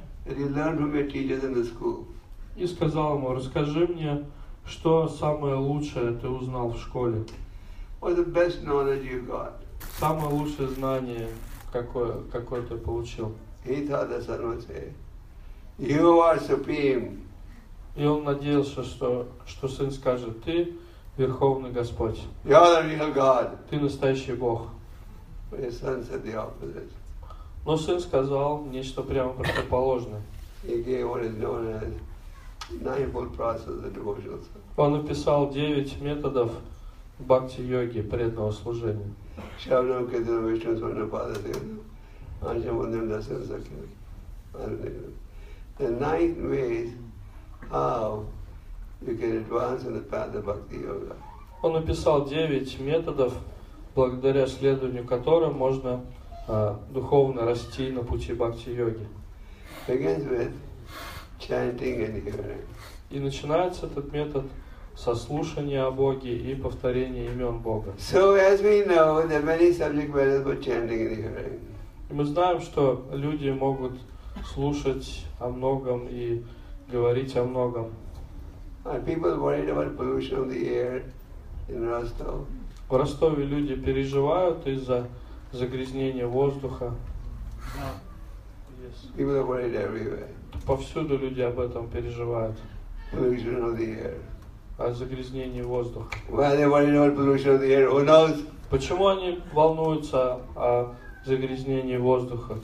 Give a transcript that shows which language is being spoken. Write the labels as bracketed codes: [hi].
[en] that you learned from your teachers in the school. [ru] И сказал ему, расскажи мне, что самое лучшее ты узнал в школе. [en] What the best knowledge you got? [ru] Самое лучшее знание, какое ты получил. [en] He thought the son would say, you are supreme. [ru] И он надеялся, что сын скажет, ты верховный Господь. [en] You are the real God. [ru] Ты настоящий Бог. [en] But his son said the opposite. [ru] Но сын сказал нечто прямо противоположное. [en] He gave what is known as ninefold process of devotional service. [ru] Он написал 9 методов бхакти-йоги, преданного служения. [sa] Шавнавкетина Вишна Сванапада Сиган, Ашамандрам Дасан Сакхин. [en] The ninth way is how you can advance in the path of bhakti-yoga. [ru] Он написал 9 методов, благодаря следованию которым можно духовно расти на пути бхакти-йоги. [en] Begins with chanting and hearing. [ru] И начинается этот метод со слушания о Боге и повторения имен Бога. [en] So as we know, there are many subject matters for chanting and hearing. [ru] И мы знаем, что люди могут слушать о многом и говорить о многом. [en] Are people worried about pollution of the air in Rostov? [ru] В Ростове люди переживают из-за загрязнения воздуха. [en] People are worried everywhere. [ru] Повсюду люди об этом переживают. [en] Pollution of the air. [ru] О загрязнении воздуха. [en] Why are they worried about pollution of the air? Who knows? [ru] Почему они волнуются о загрязнении воздуха?